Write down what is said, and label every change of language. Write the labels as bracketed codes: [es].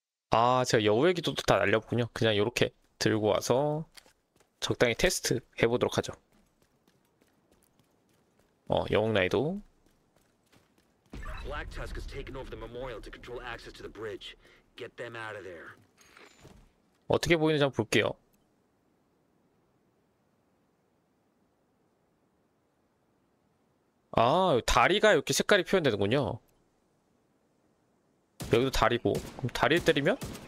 [ko] 아, 제가 여우의 기도도 다 날렸군요. 그냥 요렇게 들고 와서 적당히 테스트 해보도록 하죠. 영웅 나이도. [en] Black Tusk has taken over the memorial to control access to the bridge. Get them out of there. [ko] 어떻게 보이는지 한번 볼게요. 아, 다리가 이렇게 색깔이 표현되는군요. 여기도 다리고. 그럼 다리를 때리면?